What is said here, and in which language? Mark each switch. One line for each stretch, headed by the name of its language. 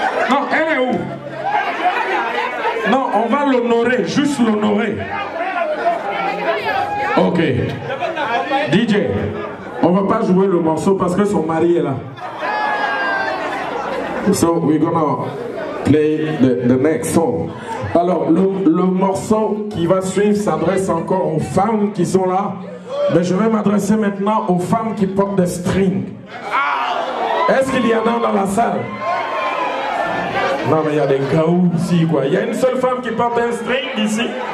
French: Non, elle est où? Non, on va l'honorer, juste l'honorer. Ok. DJ, on va pas jouer le morceau parce que son mari est là.
English: So, we're gonna play the next song.
French: Alors, le morceau qui va suivre s'adresse encore aux femmes qui sont là. Mais je vais m'adresser maintenant aux femmes qui portent des strings. Est-ce qu'il y en a dans la salle? Non, mais il y a des gaous ici, quoi. Il y a une seule femme qui porte un string ici.